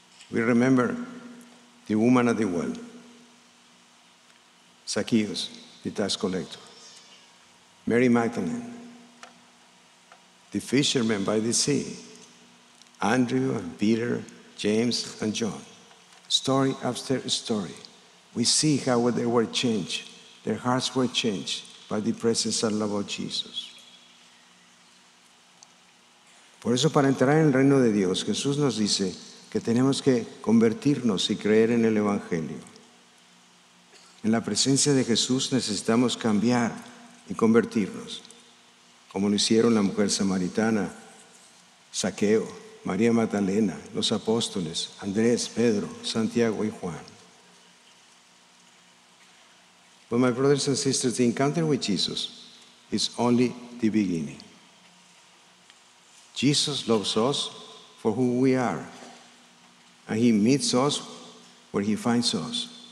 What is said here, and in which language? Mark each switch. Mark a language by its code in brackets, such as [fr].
[en] We remember the woman at the well, Zacchaeus, the tax collector, Mary Magdalene, the fishermen by the sea, Andrew and Peter, James and John. Story after story, we see how they were changed, their hearts were changed by the presence and love of Jesus. [es] Por eso, para entrar en el reino de Dios, Jesús nos dice que tenemos que convertirnos y creer en el Evangelio. En la presencia de Jesús necesitamos cambiar y convertirnos, como lo hicieron la mujer samaritana, Zaqueo, María Magdalena, los apóstoles, Andrés, Pedro, Santiago y Juan. [en] But my brothers and sisters, the encounter with Jesus is only the beginning. Jesus loves us for who we are, and he meets us where he finds us.